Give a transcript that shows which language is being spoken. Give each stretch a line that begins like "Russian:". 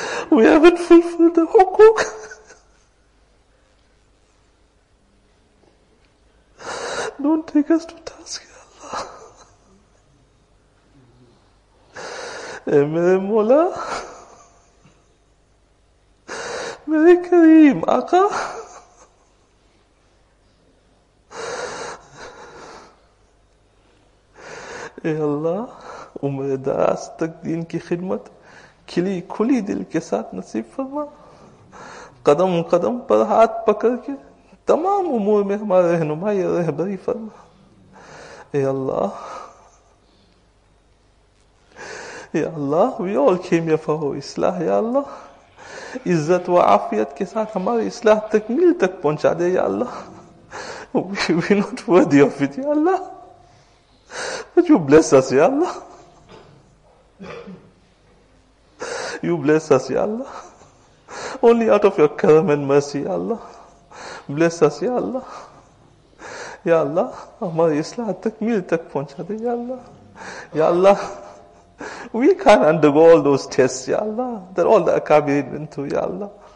English: We haven't fulfilled the hukuk. Don't take us to task, Ya Allah.
Urdu: Ey mere Mola, mere Kareem Aqa, Ey Allah, Umar Daraz tak deen ki khidmat, کھلی کھلی دل کے ساتھ نصیب فرما قدم قدم پر ہاتھ پکڑ کے تمام امور میں ہمارے رہنمائی اور رہبری فرما اے اللہ اے اللہ
English: we all came here for our
Urdu: اصلاح یا اللہ عزت و عافیت کے ساتھ ہمارے اصلاح تکمیل تک پہنچا دے یا اللہ
English: we're not worthy of it
Urdu: یا اللہ
English: but you bless us
Urdu: یا اللہ
English: You bless us, Ya Allah. Only out of your karam and mercy, Ya Allah. Bless us, Ya Allah.
Urdu: Ya Allah, hamari islah takmeel tak pahuncha de, Ya Allah.
English: Ya Allah, we can't undergo all those tests, Ya Allah, that all the akabirin went through, Ya Allah.